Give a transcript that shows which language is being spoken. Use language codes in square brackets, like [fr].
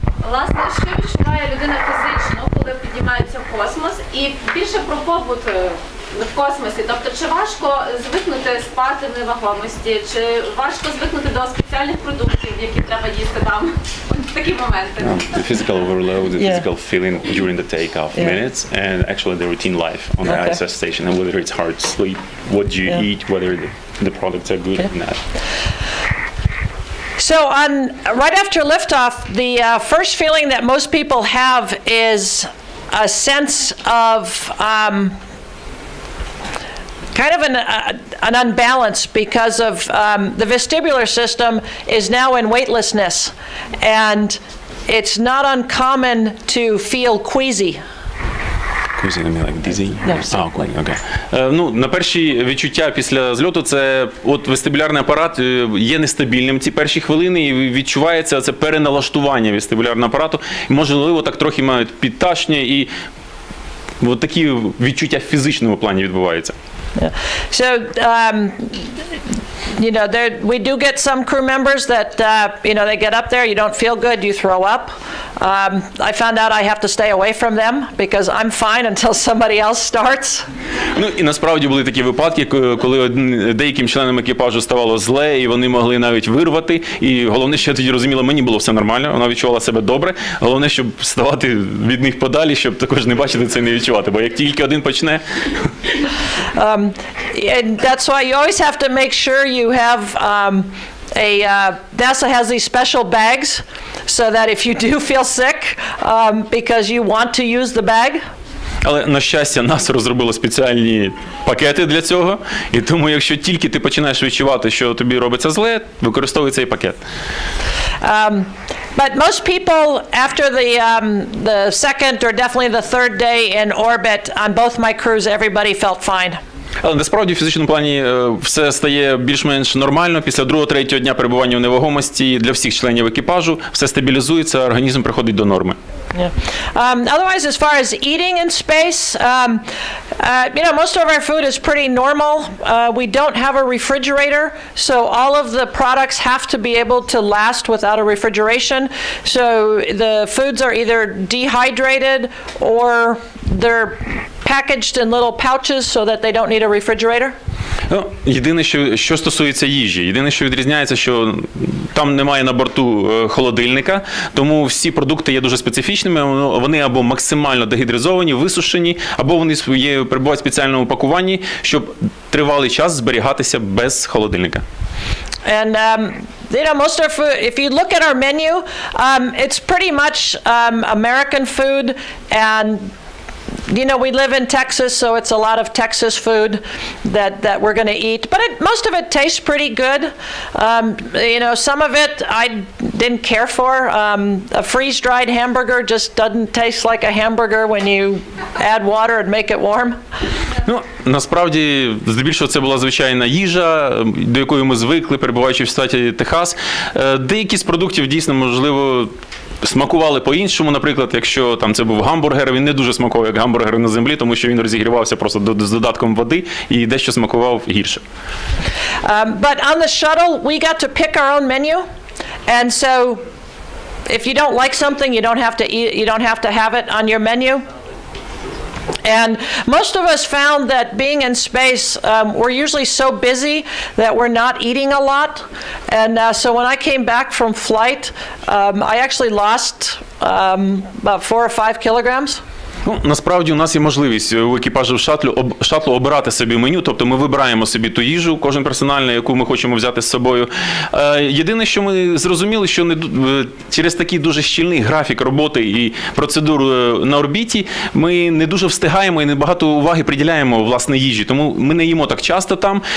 [uk] Власне, що відчуває людина фізично, коли піднімається в космос, і більше про побут в космосі? Тобто, чи важко звикнути спати в невагомості, чи важко звикнути до спеціальних продуктів, які треба їсти там? У такі моменти. [en] Physical overload, the physical feeling during the takeoff minutes, and actually the routine life on the ISS station, and whether it's hard sleep, what do you eat, whether the products are good or not. So on right after liftoff, the first feeling that most people have is a sense of kind of an unbalance because of the vestibular system is now in weightlessness, and it's not uncommon to feel queasy. Queasy, I mean like dizzy? Yes. Oh, okay. [uk] Ну, на перші відчуття після зльоту, це от вестибулярний апарат є нестабільним ці перші хвилини, і відчувається це переналаштування вестибулярного апарату. Можливо, так трохи мають підташнення, і от такі відчуття в фізичному плані відбуваються. [en] So, you know, there, we do get some crew members that, you know, they get up there, you don't feel good, you throw up. I found out I have to stay away from them because I'm fine until somebody else starts. [uk] Ну, і насправді були такі випадки, коли деяким членам екіпажу ставало зле, і вони могли навіть вирвати. І головне, що я тоді розуміла, мені було все нормально, вона відчувала себе добре. Головне, щоб ставати від них подалі, щоб також не бачити це і не відчувати, бо як тільки один почне... [en] And that's why you always have to make sure you have NASA has these special bags so that if you do feel sick because you want to use the bag. [uk] Але, на щастя, NASA розробила спеціальні пакети для цього, і тому, якщо тільки ти починаєш відчувати, що тобі робиться зле, використовуй цей пакет. [en] But most people after the second or definitely the third day in orbit on both my crews, everybody felt fine. [uk] Але насправді в фізичному плані все стає більш-менш нормально. Після другого-третього дня перебування в невагомості для всіх членів екіпажу все стабілізується, організм приходить до норми. [en] Otherwise, as far as eating in space, you know, most of our food is pretty normal. We don't have a refrigerator, so all of the products have to be able to last without a refrigeration. So the foods are either dehydrated or they're packaged in little pouches so that they don't need a refrigerator. [uk] Ну, єдине, що стосується їжі, єдине, що відрізняється, що там немає на борту холодильника, тому всі продукти є дуже специфічними, вони або максимально дегідризовані, висушені, або вони перебувають в спеціальному упакуванні, щоб тривалий час зберігатися без холодильника. [en] And you know, most of if you look at our menu, it's pretty much American food, and you know, we live in Texas, so it's a lot of Texas food that we're going to eat. But most of it tastes pretty good. You know, some of it I didn't care for. A freeze-dried hamburger just doesn't taste like a hamburger when you add water and make it warm. [uk] Ну, насправді, здебільшого це була звичайна їжа, до якої ми звикли, перебуваючи в штаті Техас. Деякі з продуктів дійсно, можливо, смакували по-іншому, наприклад, якщо там це був гамбургер, він не дуже смакував як гамбургер на землі, тому що він розігрівався просто з додатком води і дещо смакував гірше. [en] But on the shuttle we got to pick our own menu, and so if you don't like something, you don't have to eat, you don't have to have it on your menu. And most of us found that being in space, we're usually so busy that we're not eating a lot. And so when I came back from flight, I actually lost about 4 or 5 kilograms. [uk] Ну, насправді у нас є можливість у екіпажі в шатлу обирати собі меню, тобто ми вибираємо собі ту їжу, кожен персональну, яку ми хочемо взяти з собою. Єдине, що ми зрозуміли, що через такий дуже щільний графік роботи і процедуру на орбіті, ми не дуже встигаємо і небагато уваги приділяємо власне їжі, тому ми не їмо так часто там.